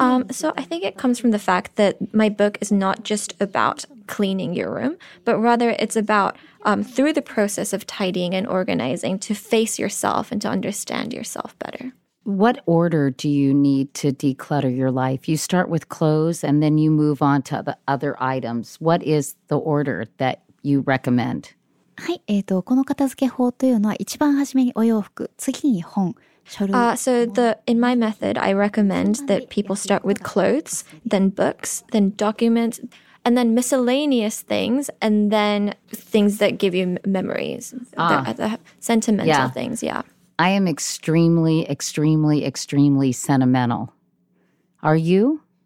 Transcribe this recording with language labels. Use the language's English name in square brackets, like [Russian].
[English] So I think it comes from the fact that my book is not just about cleaning your room, but rather it's about through the process of tidying and organizing to face yourself and to understand yourself better. What order do you need to declutter your life? You start with clothes and then you move on to the other items. What is the order that you recommend? [Japanese] はい、この片付け法というのは一番初めにお洋服、次に本、書類。 [English] So in my method, I recommend that people start with clothes, then books, then documents, and then miscellaneous things, and then things that give you memories, the sentimental things, yeah. I am extremely, extremely, extremely sentimental. Are you?